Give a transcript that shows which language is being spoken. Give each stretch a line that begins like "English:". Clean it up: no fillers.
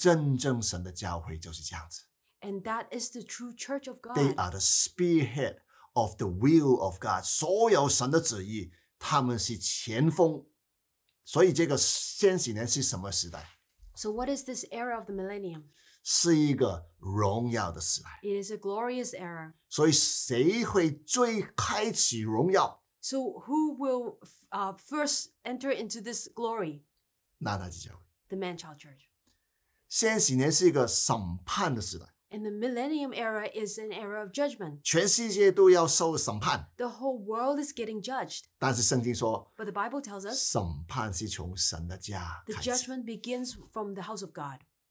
Chinese: 真正神的教会就是这样子。
English: And that is the true church of God. They are the spearhead of the will of God.
Chinese: 所有神的旨意，他们是前锋。所以这个千禧年是什么时代？
English: So what is this era of the millennium?
Chinese: 是一个荣耀的时代。
English: It is a glorious era.
Chinese: 所以谁会最开启荣耀？
English: So who will first enter into this glory?
Chinese: 男孩子教会。
English: The man-child church.
Chinese: 先几年是一个审判的时代。
English: And the millennium era is an era of judgment.
Chinese: 全世界都要受审判。
English: The whole world is getting judged.
Chinese: 但是圣经说，
English: But the Bible tells us,
Chinese: 审判是从神的家开始。
English: The judgment begins from the house of God.